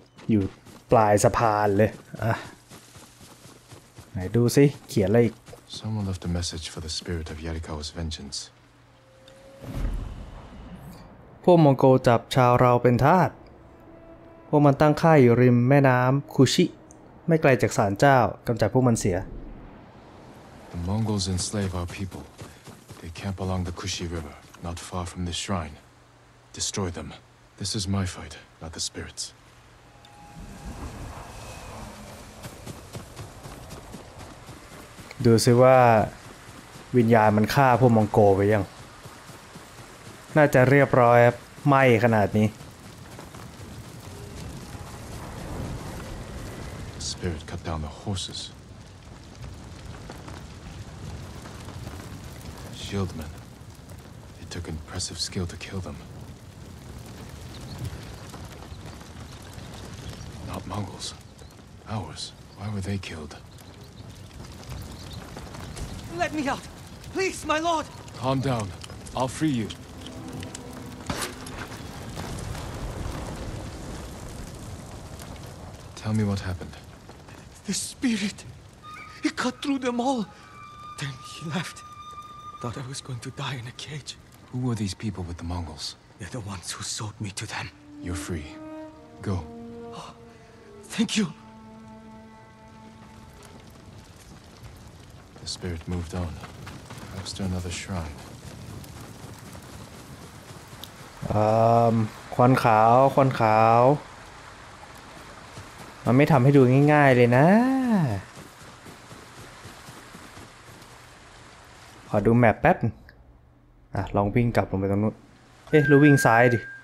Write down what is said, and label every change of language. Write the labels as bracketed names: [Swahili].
[Thai] อยู่ปลายสะพานเลยไหนดูสิเขียนอะไรอีก [English] Someone left a message for the spirit of Yarikawa's vengeance [Thai] พวกมองโกจับชาวเราเป็นทาสพวกมันตั้งค่ายอยู่ริมแม่น้ำคุชิไม่ไกลจากศาลเจ้ากำจัดพวกมันเสีย [English] The Mongols enslave our people They camp along the Kushi River not far from this shrine Destroy them This is my fight not the spirit's [Thai] ดูซิว่าวิญญาณมันฆ่าพวกมองโกไปยังน่าจะเรียบร้อยไหมขนาดนี้ [English] Spirit cut down the horses Shieldmen It took impressive skill to kill them Not Mongols Ours Why were they killed Let me out! Please, my lord! Calm down. I'll free you. Tell me what happened. The spirit! He cut through them all! Then he left. Thought I was going to die in a cage. Who were these people with the Mongols? They're the ones who sold me to them. You're free. Go. Oh, thank you! The spirit moved on, perhaps to another shrine. [Thai] ควันขาวควันขาวมันไม่ทำให้ดูง่ายๆเลยนะขอดูแมปแป๊บลองวิ่งกลับลงไปตรงนู้นเอ๊ะรู้วิ่งซ้ายดิ